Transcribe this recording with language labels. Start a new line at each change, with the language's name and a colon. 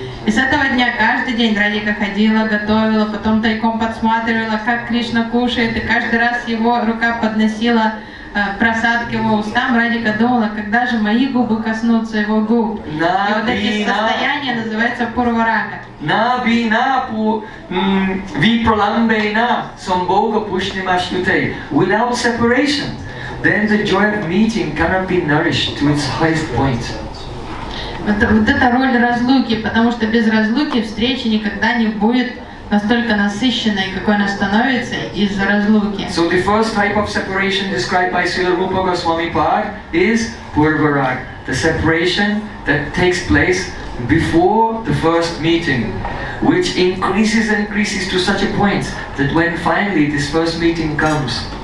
Russian: И с этого дня каждый день Радика ходила, готовила, потом тайком подсматривала, как Кришна кушает, и каждый раз его рука подносила просад к его устам. Радика думала, когда же мои губы коснутся его губ. И вот это состояние называется Пурварага.
Sanskrit: На бина пу випроламбейна сомбога пушнимашютей.
English: Without separation, then the joy of meeting cannot be nourished to its highest point.
Russian: Вот это роль разлуки, потому что без разлуки встречи никогда не будет настолько насыщенной, какой она становится из-за разлуки.
English: So the first type of separation described by Srila Rupa Goswami Pad is Purvarag, the separation that takes place before the first meeting, which increases and increases to such a point that when finally this first meeting comes,